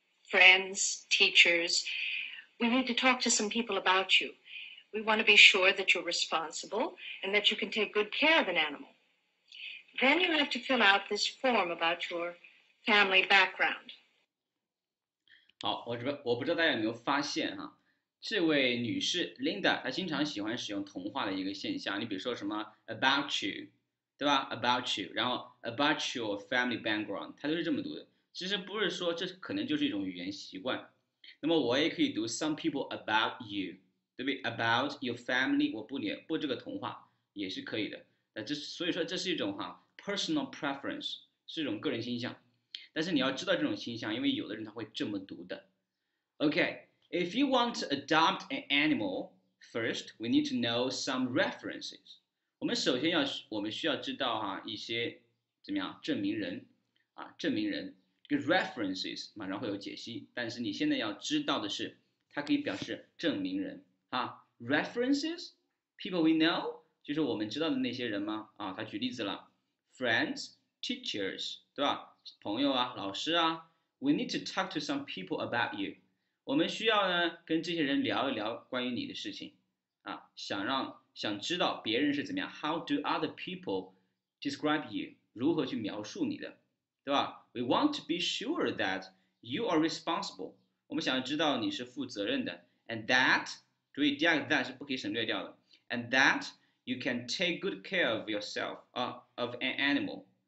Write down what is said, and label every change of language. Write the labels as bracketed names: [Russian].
[English] Friends, teachers. We need to talk to some people about you. We want to be sure that you're responsible and that you can take good care of an animal. Then you have to fill out this form about your family background. [Chinese] 好，我不知道大家有没有发现哈。这位女士 Linda，她经常喜欢使用同化的一个现象。你比如说什么 [English] about you， [Chinese] 对吧？about you，然后 [English] about your family background， [Chinese] 她都是这么读的。其实不是说这可能就是一种语言习惯。那么我也可以读 [English] some people about you， [Chinese] 对不对？ [English] about your family， [Chinese] 我不念不这个同化也是可以的。那这所以说这是一种哈 [English] personal preference， [Chinese] 是一种个人倾向。但是你要知道这种倾向，因为有的人他会这么读的。 [English] OK。 If you want to adopt an animal, first we need to know some references. [Chinese] 我们需要知道一些怎么样证明人啊，证明人这个 references 马上会有解析。但是你现在要知道的是，它可以表示证明人啊。 [English] References, people we know [Chinese] 就是我们知道的那些人吗？啊，他举例子了， [English] friends, teachers [Chinese] 对吧？朋友啊，老师啊。 [English] We need to talk to some people about you. [Chinese] 我们需要呢跟这些人聊一聊关于你的事情，啊，想让想知道别人是怎么样 ？ [English] How do other people describe you？ [Chinese] 如何去描述你的，对吧 [English] ？We want to be sure that you are responsible。 [Chinese] 我们想要知道你是负责任的 [English] ，and that， [Chinese] 注意第二个 [English] that [Chinese] 是不可以省略掉的 [English] ，and that you can take good care of yourself， 啊 ，of an animal。